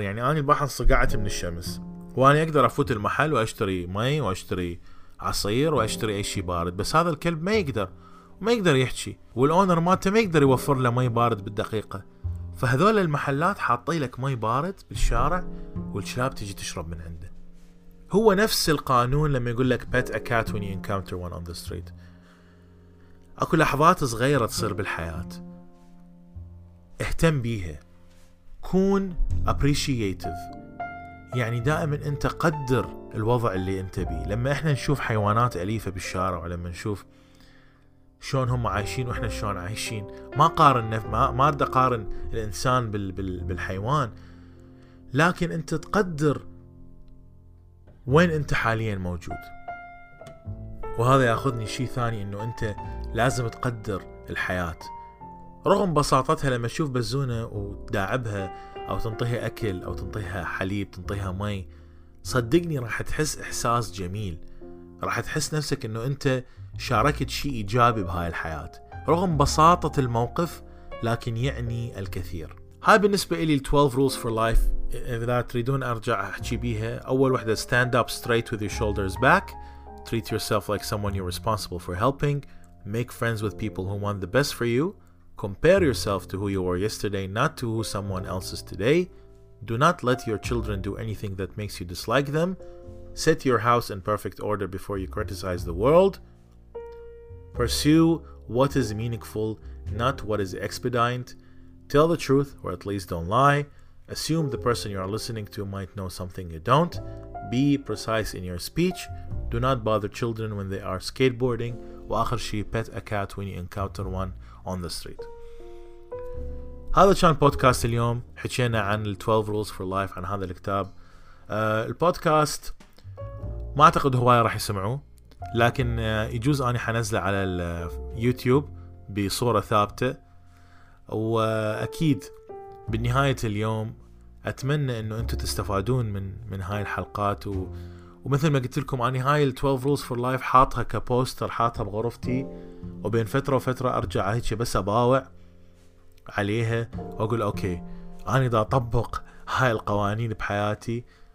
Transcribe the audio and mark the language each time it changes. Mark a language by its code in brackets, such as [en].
[ar] يعني انا البحر صقعت من الشمس وانا اقدر افوت المحل واشتري مي واشتري عصير واشتري اي شيء بارد، بس هذا الكلب ما يقدر، ما يقدر يحكي، والاونر مالته ما يقدر يوفر له مي بارد بالدقيقه. فهذول المحلات حاطين لك مي بارد بالشارع والكلاب تجي تشرب من عنده. هو نفس القانون لما يقول لك [en] pet a cat when you encounter one on the street. [ar] اكو لحظات صغيره تصير بالحياه، اهتم بيها، كون appreciative، يعني دائما انت قدر الوضع اللي انت بيه. لما احنا نشوف حيوانات اليفه بالشارع ولما نشوف شلون هم عايشين واحنا شلون عايشين، ما قارن ما بدي قارن الانسان بالحيوان، لكن انت تقدر وين انت حاليا موجود. وهذا ياخذني شيء ثاني، انه انت لازم تقدر الحياه رغم بساطتها. لما تشوف بزونه وتداعبها او تنطيها اكل او تنطيها حليب تنطيها مي، صدقني راح تحس احساس جميل، راح تحس نفسك انه انت شاركت شيء ايجابي بهاي الحياة رغم بساطة الموقف، لكن يعني الكثير. هاي بالنسبة لي الـ 12 rules for life. اذا تريدون ارجع احكي بيها، اول وحدة [en] stand up straight with your shoulders back, treat yourself like someone you're responsible for helping, make friends with people who want the best for you, compare yourself to who you were yesterday not to who someone else is today, do not let your children do anything that makes you dislike them, set your house in perfect order before you criticize the world, pursue what is meaningful, not what is expedient, tell the truth, or at least don't lie, assume the person you are listening to might know something you don't, be precise in your speech, do not bother children when they are skateboarding, [ar] وآخر شيء [en] pet a cat when you encounter one on the street. [ar] هذا كان بودكاست اليوم، حكينا عن 12 rules for life، عن هذا الكتاب. البودكاست ما أعتقد هواية راح يسمعوه، لكن يجوز أني حنزله على اليوتيوب بصورة ثابتة. وأكيد بالنهاية اليوم أتمنى أنه أنتوا تستفادون من هاي الحلقات، ومثل ما قلت لكم أني هاي 12 rules for life حاطها كبوستر، حاطها بغرفتي، وبين فترة وفترة أرجع هيك بس أباوع عليها وأقول أوكي أنا دا أطبق هاي القوانين بحياتي.